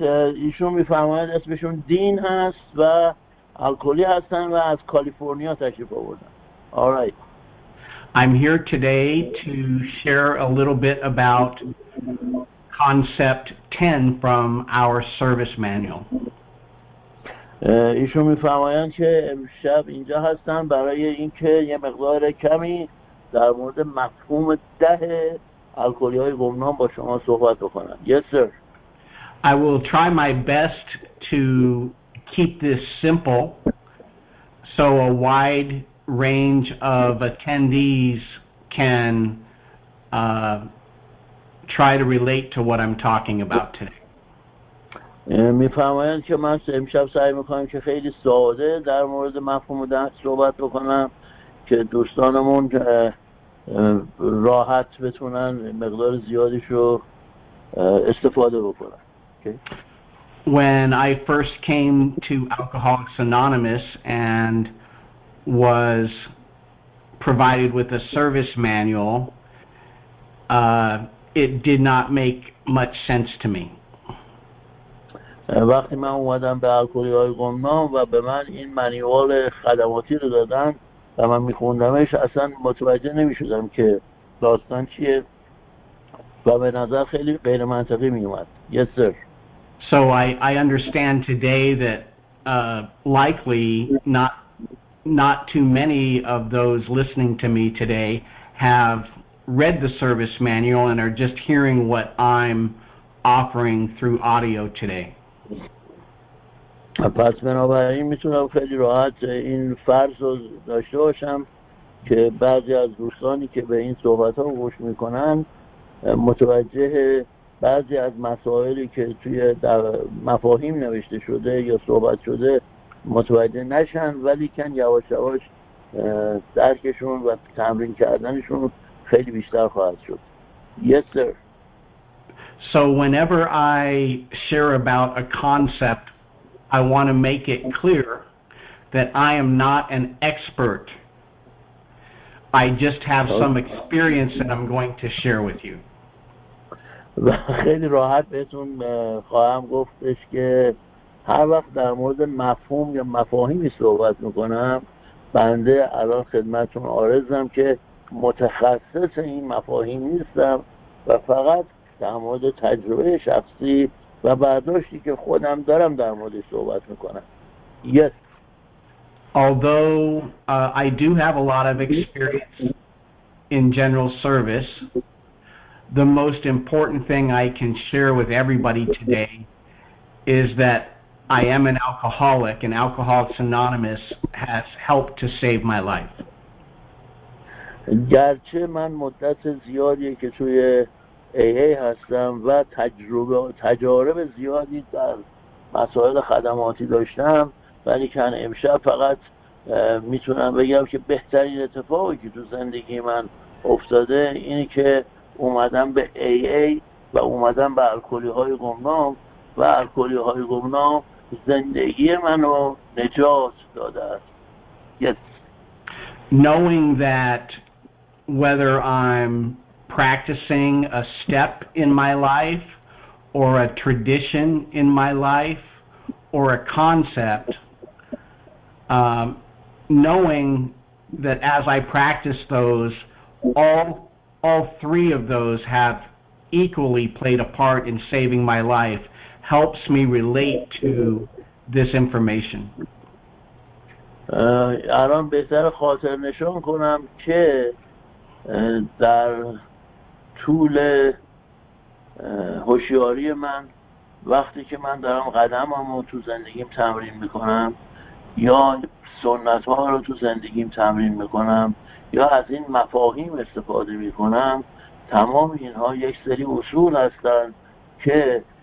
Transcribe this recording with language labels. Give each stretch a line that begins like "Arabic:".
Persian: ایشون می‌فرماید اسمشون دین هست و الکلی هستن و از کالیفرنیا تشریف آوردن.
English: All right. I'm here today to share a little bit about Concept 10 from our service manual.
Persian: ایشون می‌فرمایند که امشب اینجا هستن برای اینکه یه مقدار کمی در مورد مفهوم 10 الکلی‌های گمنام با شما صحبت بکنن.
English: Yes, sir. I will try my best to keep this simple so a wide range of attendees can try to relate to what I'm talking about today.
Persian: می‌فهمم که من امشب سعی می‌کنم که خیلی ساده در مورد مفهوم ده صحبت بکنم که دوستانمون راحت بتونن مقدار زیادیش رو استفاده بکنن.
English: When I first came to Alcoholics Anonymous and was provided with a service manual, it did not make much sense to me.
Persian: وقتی من اومدم به الکلی‌های گمنام و به من این منیوال خدماتی رو دادن و من می‌خوندمش، اصلا متوجه نمی‌شدم که داستان چیه و به نظر خیلی غیر منطقی می‌اومد.
English: Yes, sir. So I understand today that likely not too many of those listening to me today have read the service manual and are just hearing what I'm offering through audio today.
Persian: پس بنابراین میتونم خیلی راحت این فرض رو داشته باشم که بعضی از دوستانی که به این صحبت ها گوش میکنن متوجه بعضی از مسائلی که توی مفاهیم نوشته شده یا صحبت شده متوجه نشن، ولی کن یواش یواش درکشون و تمرین کردنشون خیلی بیشتر خواهد شد.
English: Yes, sir. So whenever I share about a concept, I want to make it clear that I am not an expert. I just have some experience that I'm going to share with you.
Persian: خیلی راحت بهتون خواهم گفتش که هر وقت در مورد مفهوم یا مفاهیمی صحبت میکنم، بنده الان خدمتون عارضم که متخصص این مفاهیم نیستم و فقط در مورد تجربه شخصی و برداشتی که خودم دارم در مورد صحبت میکنم.
English: Yes. Although I do have a lot of experience in general service, the most important thing I can share with everybody today is that I am an alcoholic, and Alcoholics Anonymous has helped to save my life.
Persian: گرچه من مدت زیادی که توی AA هستم و تجربه و تجارب زیادی در مسائل خدماتی داشتم، ولی که امشب فقط میتونم بگم که بهترین اتفاقی که تو زندگی من افتاده اینه که اومدم به AA و اومدم به الکلی‌های گمنام، و الکلی‌های گمنام زندگی منو نجات داده است.
English: Yes. Knowing that whether I'm practicing a step in my life or a tradition in my life or a concept, knowing that as I practice those, all three of those have equally played a part in saving my life, helps me relate to this information.
Persian: الان بهتر خاطر نشان کنم که در طول هوشیاری من، وقتی که من دارم قدمم رو تو زندگیم تمرین میکنم یا سنت ها رو تو زندگیم تمرین میکنم یا از این مفاهیم استفاده میکنم، تمام اینها یک سری اصول هستن که